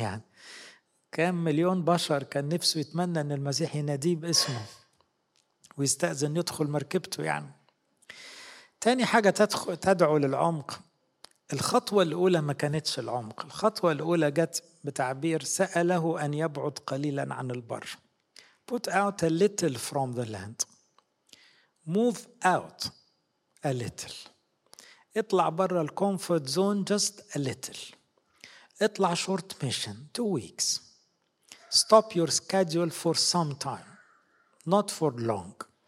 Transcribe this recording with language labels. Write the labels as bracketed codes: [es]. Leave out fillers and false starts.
[ar] يعني كام مليون بشر كان نفسه يتمنى أن المسيح يناديه باسمه ويستأذن يدخل مركبته. يعني تاني حاجة تدعو للعمق، الخطوة الأولى ما كانتش العمق، الخطوة الأولى جت بتعبير سأله أن يبعد قليلاً عن البر. [en] Put out a little from the land. Move out a little. [ar] اطلع برا الكومفورت زون [en] just a little. [ar] اطلع [en] short mission, 2 weeks. Stop your schedule for some time, not for long.